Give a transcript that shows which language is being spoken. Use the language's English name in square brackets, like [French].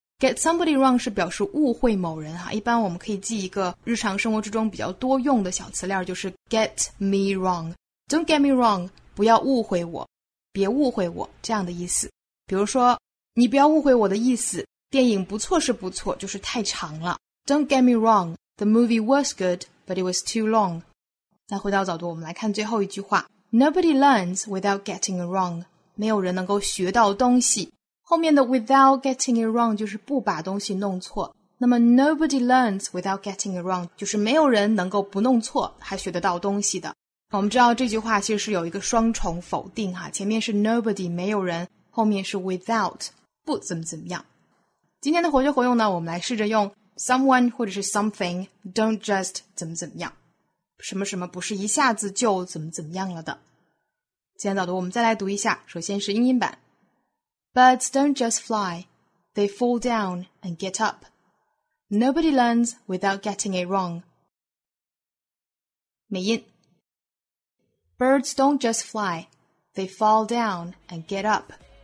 [English] get somebody wrong [Chinese] 是表示误会某人哈，一般我们可以记一个日常生活之中比较多用的小词链，就是 [English] get me wrong， don't get me wrong， [Chinese] 不要误会我，别误会我，这样的意思。比如说你不要误会我的意思，电影不错是不错，就是太长了。 [English] don't get me wrong， the movie was good but it was too long。 [Chinese] 再回到早读，我们来看最后一句话， [English] Nobody learns without getting it wrong， [Chinese] 没有人能够学到东西。后面的 [English] without getting it wrong [Chinese] 就是不把东西弄错，那么 [English] nobody learns without getting it wrong [Chinese] 就是没有人能够不弄错还学得到东西的。我们知道这句话其实是有一个双重否定哈，前面是 nobody 没有人，后面是 without 不怎么怎么样。今天的活学活用呢，我们来试着用 someone 或者是 something don't just 怎么怎么样，什么什么不是一下子就怎么怎么样了的。今天早读我们再来读一下，首先是英音版。 [English] Birds don't just fly, they fall down and get up. Nobody learns without getting it wrong. [Chinese] 美音。 [English] Birds don't just fly, they fall down and get up.